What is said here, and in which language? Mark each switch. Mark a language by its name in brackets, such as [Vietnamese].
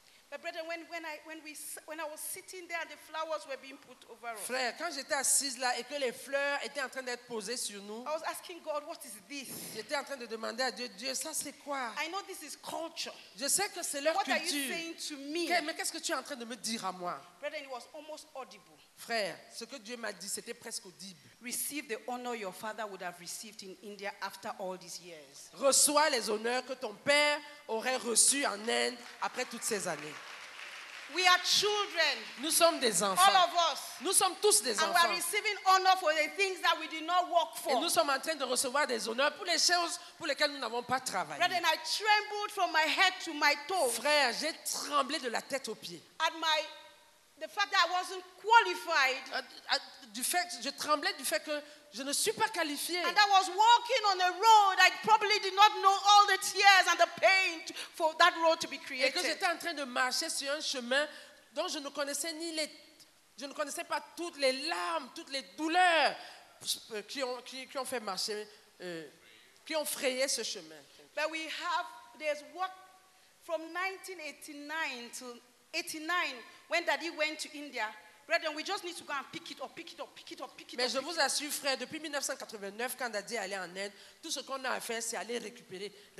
[English] But brethren, when I was sitting there and the flowers were being put over us. [French] Frère, quand j'étais assise là et que les fleurs étaient en train d'être posées sur nous. [English] I was asking God, what is this? [French] J'étais en train de demander à Dieu, Dieu, ça c'est quoi? [English] I know this is culture. [French] Je sais que c'est leur [English] what [French] culture. [English] What are you saying to me? [French] Mais qu'est-ce que tu es en train de me dire à moi? [English] Brethren, it was almost audible. [French] Frère, ce que Dieu m'a dit, c'était presque audible. [English] Receive the honor your father would have received in India after all these years. [French] Reçois les honneurs que ton père aurait reçus en Inde après toutes ces années. [English] We are children. [French] Nous sommes des enfants. [English] All of us. [French] Nous sommes tous des [English] and [French] enfants. [English] And we are receiving honor for the things that we did not work for. [French] Et nous sommes en train de recevoir des honneurs pour les choses pour lesquelles nous n'avons pas travaillé. [English] Brethren, I trembled from my head to my toes. [French] Frère, j'ai tremblé de la tête aux pieds. [English] At my the fact that I wasn't qualified. [French] Du fait, je tremblais du fait que je ne suis pas qualifié. [English] And I was walking on a road I probably did not know all the tears and the pain for that road to be created. [French] Et que j'étais en train de marcher sur un chemin dont je ne connaissais ni les, je ne connaissais pas toutes les larmes, toutes les douleurs qui ont fait marcher, qui ont frayé ce chemin. [English] But we have there's work from 1989 to 89 when Daddy went to India. Brethren, we just need to go and pick it up. [French] Mais je vous assure, frère, depuis 1989, quand on a dit aller en aide, tout ce qu'on a à faire, c'est aller récupérer.